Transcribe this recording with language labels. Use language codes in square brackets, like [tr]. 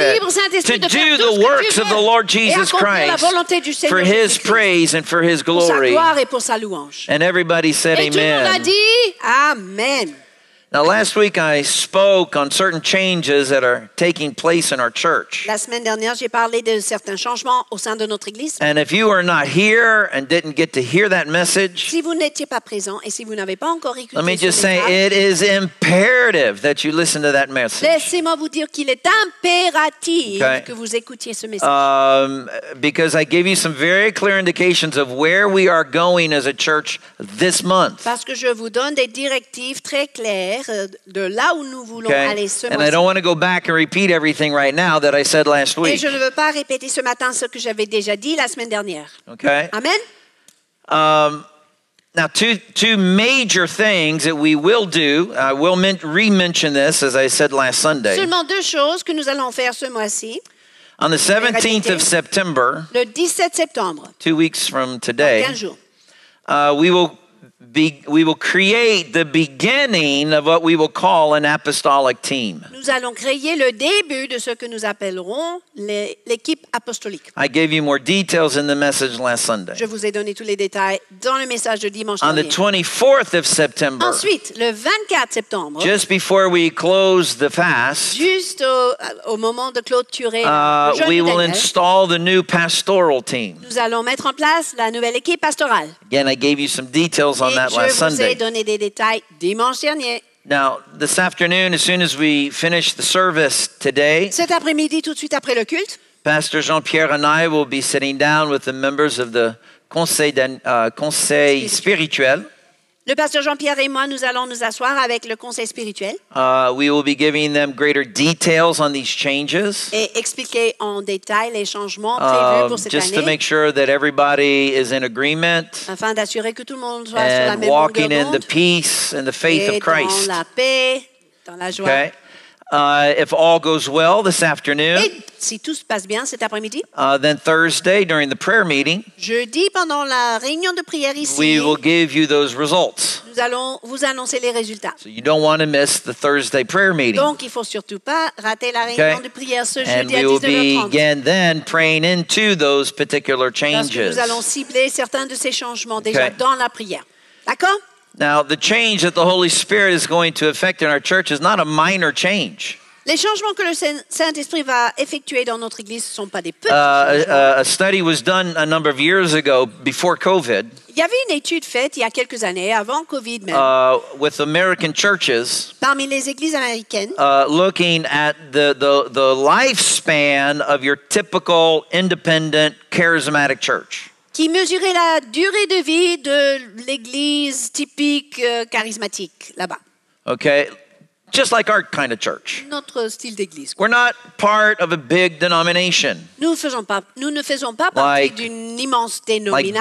[fr] tu es libre, Saint-Esprit, [en] to do the works of the Lord Jesus Christ [fr] la volonté du Seigneur [en] for His praise and for His glory. [fr] Et pour sa louange. [en] And everybody said [fr] et [en] amen. [fr] Tout le monde a dit, amen. [en] Now, last week, I spoke on certain changes that are taking place in our church. [fr] La semaine dernière, j'ai parlé de certains changements au sein de notre église. [en] And if you are not here and didn't get to hear that message, [fr] si vous n'étiez pas présent et si vous n'avez pas encore écouté, [en] let me just say, it is imperative that you listen to that message. [fr] Laissez-moi vous dire qu'il est impératif que vous écoutiez ce message. [en] Because I gave you some very clear indications of where we are going as a church this month. [fr] Parce que je vous donne des directives très claires. De là où nous voulons aller ce matin. [en] And I don't want to go back and repeat everything right now that I said last week. [fr] Et je ne veux pas répéter ce matin ce que j'avais déjà dit la semaine dernière. [en] Okay. Amen. Now two major things that we will do. I will re-mention this as I said last Sunday. [fr] Seulement deux choses que nous allons faire ce mois-ci. [en] On the 17th of September. [fr] Le 17 septembre. [en] 2 weeks from today. [fr] Dans 15 jours. [en] We will create the beginning of what we will call an apostolic team. [fr] Nous allons créer le début de ce que nous appellerons l'équipe apostolique. [en] I gave you more details in the message last Sunday. [fr] Je vous ai donné tous les détails dans le message de dimanche dernier. [en] On the 24th of September. [fr] Ensuite, le 24 septembre. [en] Just before we close the fast. [fr] Juste au moment de clôturer. [en] We will install the new pastoral team. [fr] Nous allons mettre en place la nouvelle équipe pastorale. [en] Again, I gave you some details on that last Sunday. [fr] Donné des détails dimanche dernier. [en] Now, this afternoon, as soon as we finish the service today, [fr] cet après-midi, tout de suite après le culte, [en] Pastor Jean-Pierre and I will be sitting down with the members of the [fr] conseil spirituel. Le pasteur Jean-Pierre et moi, nous allons nous asseoir avec le conseil spirituel. [en] We will be giving them greater details on these changes. [fr] Et expliquer en détail les changements prévus pour cette année. [en] Just to make sure that everybody is in agreement. [fr] Afin d'assurer que tout le monde soit sur la même longueur d'onde. [en] And walking in the peace and the faith of Christ. [fr] Et dans la paix, dans la joie. Okay. [en] If all goes well this afternoon, [fr] et si tout se passe bien cet après-midi, [en] then Thursday during the prayer meeting, [fr] jeudi pendant la réunion de prière ici, [en] we will give you those results. [fr] Nous allons vous annoncer les résultats. [en] So you don't want to miss the Thursday prayer meeting. [fr] Donc il faut surtout pas rater la réunion de prière ce jeudi à [en] 19h30. And we will begin then praying into those particular changes. [fr] Parce que nous allons cibler certains de ces changements déjà dans la prière. D'accord? [en] Now, the change that the Holy Spirit is going to effect in our church is not a minor change. [fr] Les changements que le Saint-Esprit va effectuer dans notre église ne sont pas des petits changements. [en] A study was done a number of years ago before COVID. [fr] Il y avait une étude faite il y a quelques années, avant COVID même. [en] With American churches. [fr] Parmi les églises américaines. [en] Looking at the lifespan of your typical independent charismatic church. [fr] Qui mesurait la durée de vie de l'église typique charismatique là-bas. [en] Okay, just like our kind of church. [fr] Notre style d'église. [en] We're not part of a big denomination. [fr] Nous ne faisons pas partie d'une immense dénomination.